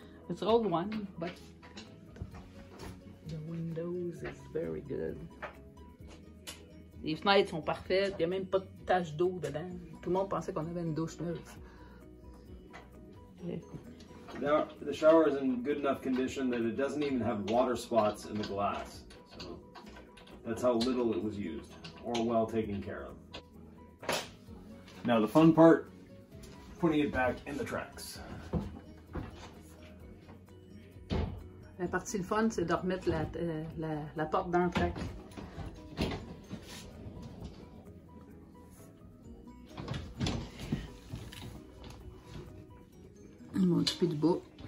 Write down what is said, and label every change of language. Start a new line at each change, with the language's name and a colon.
English: It's an old one, but the windows is very good.
French: Les fenêtres sont parfaites, il n'y a même pas de tache d'eau dedans. Tout le monde pensait qu'on avait une douche neuve.
English: Yeah. Now, the shower is in good enough condition that it doesn't even have water spots in the glass. So that's how little it was used or well taken care of. Now the fun part, putting it back in the tracks.
French: La partie le fun, c'est de remettre la, la, la porte dans le track. Un petit peu de bois.